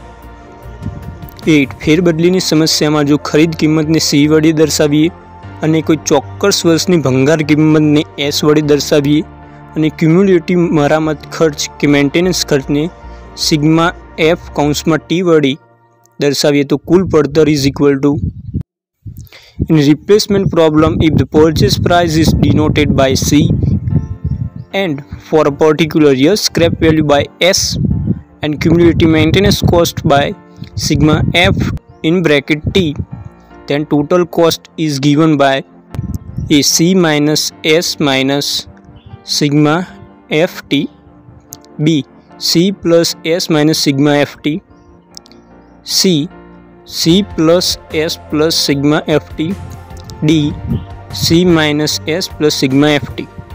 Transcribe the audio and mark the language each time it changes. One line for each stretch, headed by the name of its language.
Gujarati: 8. ફેરબદલીની સમસ્યામાં જો ખરીદ કિંમતને સી વડે દર્શાવીએ અને કોઈ ચોક્કસ વર્ષની ભંગાર કિંમતને એસ વડે દર્શાવીએ અને ક્યુમ્યુલેટિવ મરામત ખર્ચ કે મેન્ટેનન્સ ખર્ચને સિગ્મા એફ કૌંસમાં ટી વડે દર્શાવીએ તો કુલ પડતર
English: Is equal to. In replacement problem, if the purchase price is denoted by C and for a particular year scrap value by S, and cumulative maintenance cost by sigma F in bracket T then total cost is given by A C minus S minus sigma F T B C plus S minus sigma F T C C plus S plus sigma F T D C minus S plus sigma F T